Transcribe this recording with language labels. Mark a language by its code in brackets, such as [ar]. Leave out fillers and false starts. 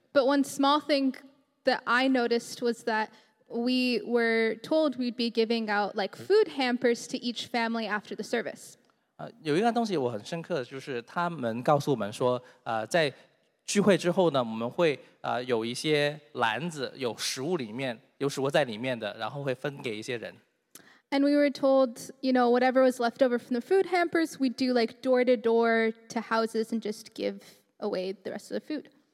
[en] But one small thing that I noticed was that we were told we'd be giving out like food hampers to each family after the service. [zh] 有一样东西我很深刻，就是他们告诉我们说，在聚会之后呢，我们会有一些篮子，有食物里面。 [en] And we were told, you know, whatever was left over from the food hampers, we'd do like door to door to houses and just give away the rest of the food.